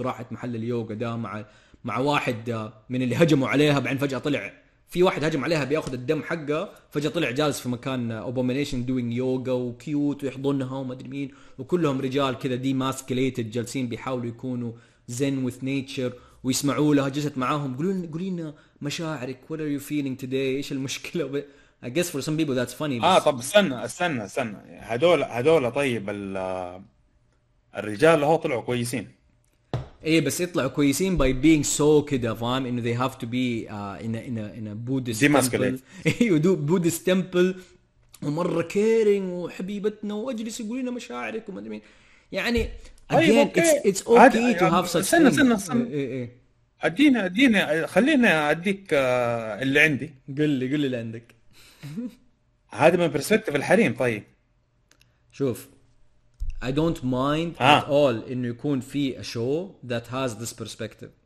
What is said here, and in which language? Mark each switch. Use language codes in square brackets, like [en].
[ar] راحت محل اليوغا ده مع واحد من اللي هجموا عليها, بعدين فجاه طلع في واحد هجم عليها بياخذ الدم حقه, فجاه طلع جالس في مكان ابومينيشن دوينج يوغا وكيوت ويحضنها وما ادري مين, وكلهم رجال كذا دي ماسكليتد جالسين بيحاولوا يكونوا زين وذ نيتشر ويسمعوا لها. جلست معاهم قولي لنا مشاعرك, [en] what are you feeling today, [ar] ايش المشكله. [en] I guess for some people that's funny. [ar] طب استنى هذول طيب الرجال اللي هو طلعوا كويسين. ايه بس يطلعوا كويسين [en] by being so [ar] كده فاهم, انه [en] they have to be in a Buddhist temple. [ar] ايه ودو Buddhist temple ومرة caring وحبيبتنا واجلس يقولينا مشاعرك وما ادري مين. يعني [en] again it's okay to have such things. [ar] ادينا خلينا اديك اللي عندي. قل لي اللي عندك. هذا من برسبكتيف الحريم. طيب [en] شوف, I don't mind at all [ar] إنه يكون في [en] a show that has this perspective.